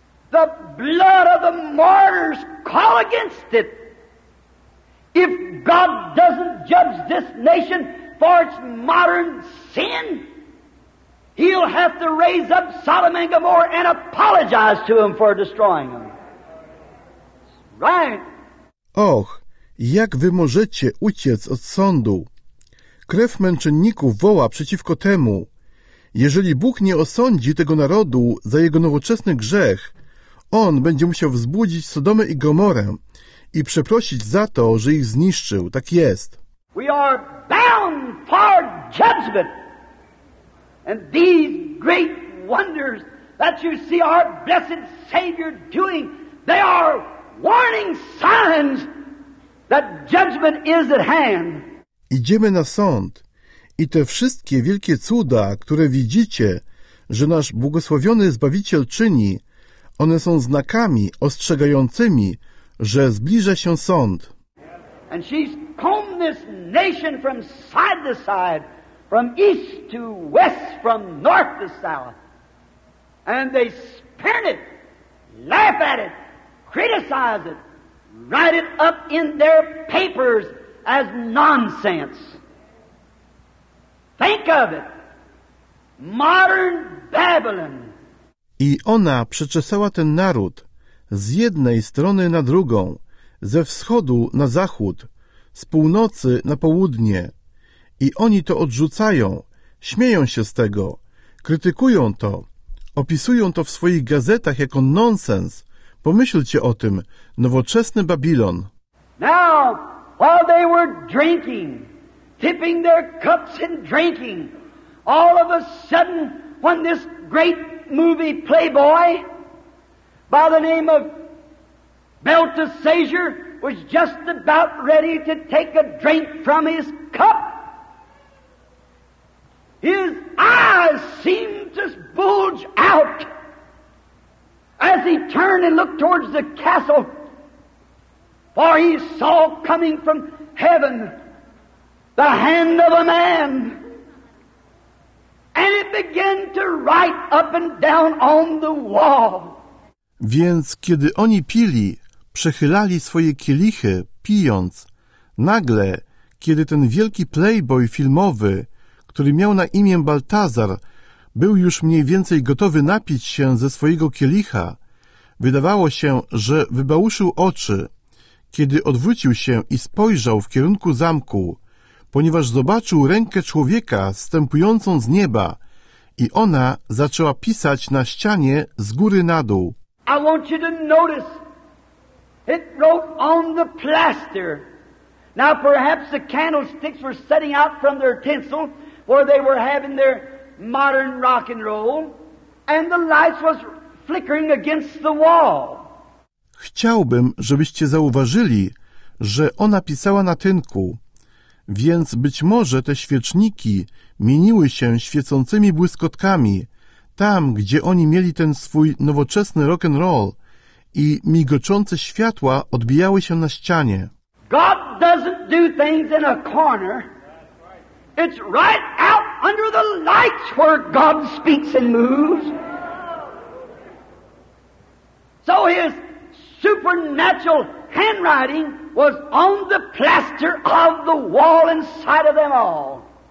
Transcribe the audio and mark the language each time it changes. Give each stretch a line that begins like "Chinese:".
English: The blood of the martyrs call against it. If God doesn't judge this nation for its modern sin, he'll have to raise up Sodom and Gomorrah and apologize to them for destroying them. Right?
Polish: Och, jak wy możecie uciec od sądu? Krew męczenników woła przeciwko temu. Jeżeli Bóg nie osądzi tego narodu za jego nowoczesny grzech, on będzie musiał wzbudzić Sodomę i Gomorę i przeprosić za to, że ich zniszczył. Tak jest.
English: We are bound for judgment. And these great wonders that you see our blessed Savior doing, they are warning signs That judgment is at hand.
Polish: Idziemy na sąd i te wszystkie wielkie cuda, które widzicie, że nasz błogosławiony Zbawiciel czyni, one są znakami ostrzegającymi, że zbliża się sąd.
English: And she's combed this nation from side to side, from east to west, from north to south. And they spin it, laugh at it, criticize it, write it up in their papers as nonsense. Think of it. Modern Babylon.
Polish: I ona przeczesała ten naród z jednej strony na drugą, ze wschodu na zachód, z północy na południe. I oni to odrzucają, śmieją się z tego, krytykują to, opisują to w swoich gazetach jako nonsens. Pomyślcie o tym, nowoczesny Babilon.
English: Now, while they were drinking, tipping their cups and drinking, all of a sudden, when this great movie playboy by the name of Belteshazzar was just about ready to take a drink from his cup, his eyes seemed to bulge out as he turned and looked towards the castle, for he saw coming from heaven the hand of a man. And it began to write up and down on the wall.
Polish: Więc kiedy oni pili, przechylali swoje kielichy, pijąc, nagle, kiedy ten wielki playboy filmowy, który miał na imię Baltazar, był już mniej więcej gotowy napić się ze swojego kielicha, wydawało się, że wybałuszył oczy, kiedy odwrócił się i spojrzał w kierunku zamku, ponieważ zobaczył rękę człowieka zstępującą z nieba i ona zaczęła pisać na ścianie z góry na dół.
English: I want you to notice, it wrote on the plaster. Now perhaps the candlesticks were setting out from their tinsel where they were having their modern rock and roll and the lights was flickering against the wall.
Polish: Chciałbym, żebyście zauważyli, że ona pisała na tynku. Więc być może te świeczniki mieniły się świecącymi błyskotkami tam, gdzie oni mieli ten swój nowoczesny rock and roll i migoczące światła odbijały się na ścianie.
English: God doesn't do things in a corner. It's right out under the lights where God speaks and moves. So his supernatural handwriting was on the plaster of the wall inside of them all.